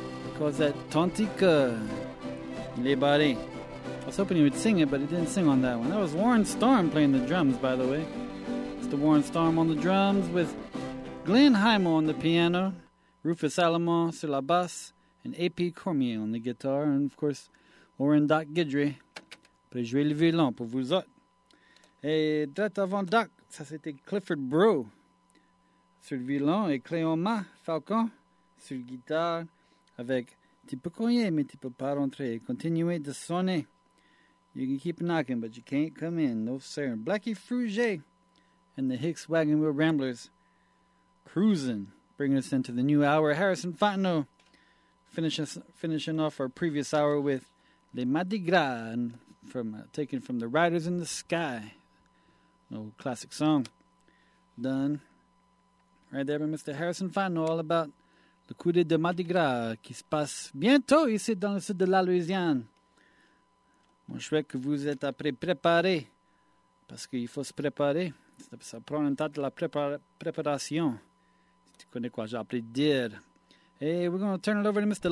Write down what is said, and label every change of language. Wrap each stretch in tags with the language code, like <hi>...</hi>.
<en>Because that Tontique, Les Barres. I was hoping he would sing it, but he didn't sing on that one. That was Warren Storm playing the drums, by the way. It's the Warren Storm on the drums with Glenn Hymo on the piano, Rufus Alamon</en> <fr>sur la basse,</fr> <en>and A.P. Cormier on the guitar, and of course, Warren Doc Guidry.</en> <fr>Play jouer le violon pour vous autres. Et droit avant Doc, ça c'était Clifford Brew sur le violon, et Cléoma Falcon sur la guitare, avec Tu peux cogner, mais tu peux pas rentrer. Continuez de sonner.</fr> <en>You can keep knocking, but you can't come in. No sir. Blackie Frugé and the Hicks Wagon Wheel Ramblers cruising. Bringing us into the new hour, Harrison Fontenot finishing off our previous hour with Les Mardi Gras, taken from the Riders in the Sky. An old classic song. Done. Right there by Mr.</en> <fr>Harrison Fontenot,</fr> <en>all about</en> <fr>le coup de Mardi Gras qui se passe bientôt ici dans le sud de la Louisiane. Moi, je crois que vous êtes après préparé, parce qu'il faut se préparer. Ça prend un tas de la préparation.</fr> <en>Hey, we're going to turn it over to Mr.</en>